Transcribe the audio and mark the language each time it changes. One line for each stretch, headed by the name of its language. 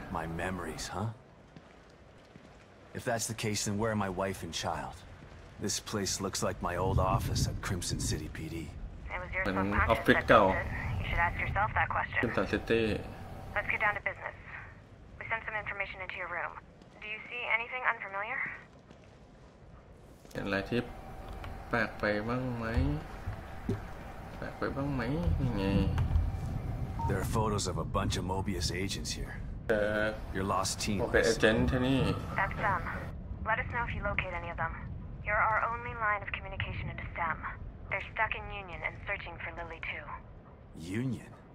English: My memories huhIf that's the case, then where are my wife and child? This place looks like my old office at Crimson City PD. It was your subconscious that did it. You should ask yourself that question. Crimson City. Let's get down to business. We sent some information into your room. Do you see anything unfamiliar?
Thai: เห็นอะไรที่ แปลกไปบ้างไหมแปลกไปบ้างไหมยังไง
English: There are photos of a bunch of Mobius agents here. Your lost team. Okay, agent นี่ That's them. Let us know if you locate any of them. You're our only line of communication into STEM. They're stuck in Union and searching for Lily too. Union.